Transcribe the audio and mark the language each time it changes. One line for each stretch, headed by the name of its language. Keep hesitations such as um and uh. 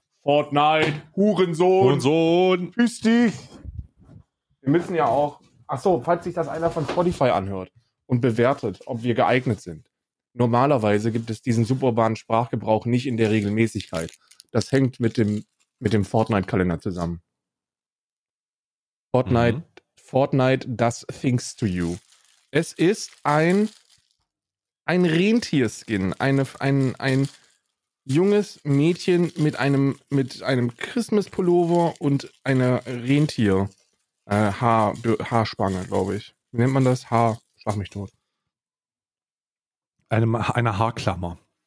German: Fortnite, Hurensohn. Hurensohn. Tschüss dich. Wir müssen ja auch. Achso, falls sich das einer von Spotify anhört und bewertet, ob wir geeignet sind normalerweise gibt es diesen suburbanen Sprachgebrauch nicht in der Regelmäßigkeit. Das hängt mit dem, mit dem Fortnite-Kalender zusammen. Fortnite, mhm.
English: Fortnite does things to you.
German: Es ist ein, ein Rentierskin, eine, ein, ein junges Mädchen mit einem, mit einem Christmas-Pullover und einer Rentier-Haarspange, -Haar, äh, glaube ich. Wie nennt man das? Haar, schlag mich tot einem, einer Haarklammer.